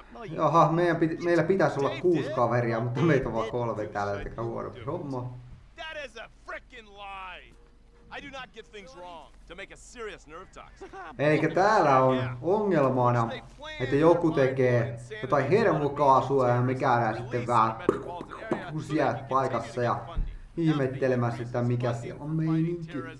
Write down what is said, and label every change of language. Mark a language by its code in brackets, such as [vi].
[fi] Jaha, meillä pitäisi olla 6 kaveria, mutta meitä on vaan 3 täällä, eli huono homma. [en] That is a frickin' lie. I do not get things wrong to make a serious nerve toxin. [fi] Eikä täällä on ongelmana, että joku tekee jotain hermokaasua ja me käydään sitten vähän siellä paikassa ja ihmettelemään sitä, mikä siellä on meininki.